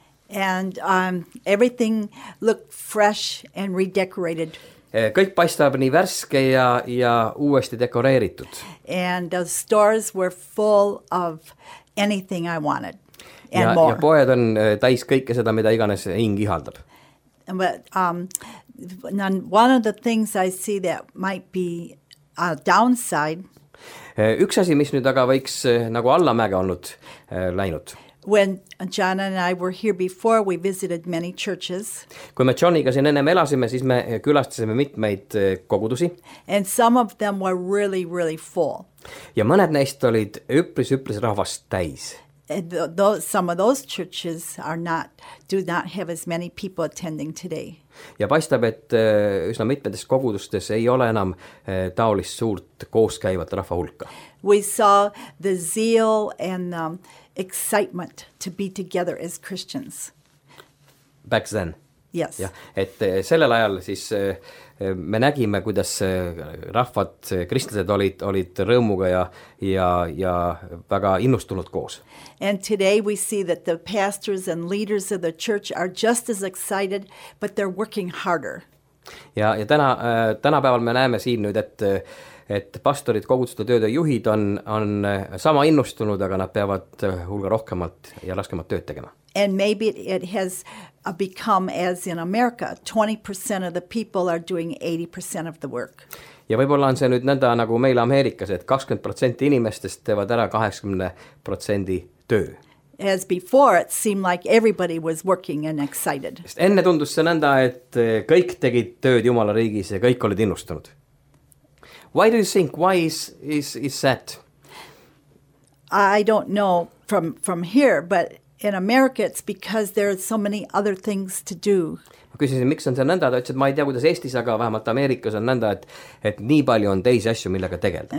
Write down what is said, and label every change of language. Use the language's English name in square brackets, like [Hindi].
[English] And everything looked fresh and redecorated. [Estonian] Kõik paistab nii värske ja uuesti dekoreeritud. [English] And the stores were full of anything I wanted. [Estonian] And ja poed on täis kõike seda, mida iganes hing ihaldab. [English] But one of the things I see that might be a downside. [Estonian] Üks asi, mis nüüd aga võiks nagu alla mäge olnud läinud. [English] When John and I were here before, we visited many churches. [Estonian] Kui me Johniga siin enne elasime, siis me külastasime mitmeid kogudusi. [English] And some of them were really, really full. [Estonian] Ja mõned neist olid üpris rahvast täis. [English] Some of those churches do not have as many people attending today. [Estonian] Ja paistab, et üsna mitmedes kogudustes ei ole enam taolist suurt kooskäivat rahva hulka. [English] We saw the zeal and excitement to be together as Christians. Back then. Yes. [Estonian] Ja, et sellel ajal siis me nägime, kuidas rahvad, kristlased olid rõõmuga ja väga innustunud koos. [English] And today we see that the pastors and leaders of the church are just as excited, but they're working harder. [Estonian] Ja täna päeval me näeme siin nüüd, et pastorid, kogudustatud tööde juhid on sama innustunud, aga nad peavad hulga rohkemalt ja raskemat tööd tegema. [English] And maybe it has become as in America, 20% of the people are doing 80% of the work. [Estonian] Ja võib-olla on see nüüd nõnda nagu meil Ameerikas, et 20% inimestest teevad ära 80% töö. [English] As before, it seemed like everybody was working and excited. [Estonian] Enne tundus see nõnda, et kõik tegid tööd Jumala riigis ja kõik olid innustunud. [English] Why do you think, why is that? I don't know from here, but in America it's because there are so many other things to do. [Estonian] Ma küsisin, miks on see nõnda, ta ütles, et ma ei tea, kuidas Eestis, aga vähemalt Ameerikas on nõnda, et nii palju on teisi asju, millega tegelda.